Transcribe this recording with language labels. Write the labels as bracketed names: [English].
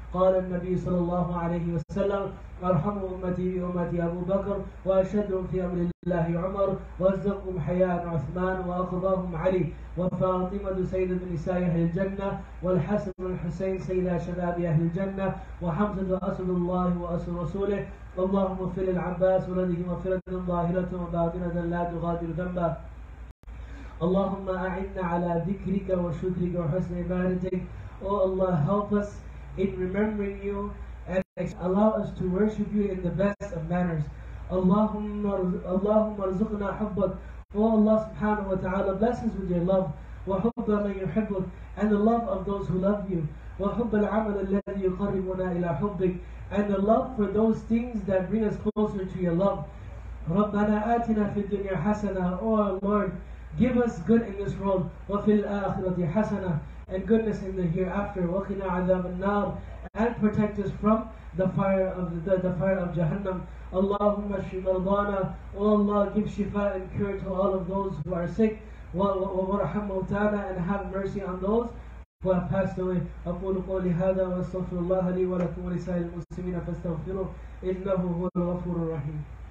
[Arabic] قال النبي صلى الله عليه وسلم: أرحم أمتي بأمتي أبو بكر، وأشدهم في أمر الله عمر، وأرزقهم حياء عثمان، وأقضاهم علي، وفاطمة سيدة نساء أهل الجنة، والحسن والحسين سيدا شباب أهل الجنة، وحمزة أسد الله وأسد رسوله. اللهم اغفر للعباس ولده مغفرة ظاهرة وباطنة لا تغادر ذنبا. اللهم أعنا على ذكرك وشكرك وحسن عبادتك. [English] Oh Allah, help us in remembering you and allow us to worship you in the best of manners. [Arabic] اللهم ارزقنا حبك. [English] Oh Allah subhanahu wa ta'ala, bless us with your love. [Arabic] وحب من يحبك, [English] and the love of those who love you. [Arabic] وحب العمل الذي يقربنا إلى حبك, [English] and the love for those things that bring us closer to your love. [Arabic] ربنا آتنا في الدنيا حسنة. [English] Oh Lord, give us good in this world, [Arabic] وفي الآخرة حسنة, [English] and goodness in the hereafter. [Arabic] وقنا عذاب النار, [English] and protect us from the fire of Jahannam. [Arabic] اللهم اشف مرضانا. [English] Oh Allah, give shifa and cure to all of those who are sick. [Arabic] وارحم موتانا, [English] and have mercy on those who have passed away. [Arabic] أقول قولي هذا وأستغفر الله لي ولكم ولسائر المسلمين فاستغفروه إنه هو الغفور الرحيم.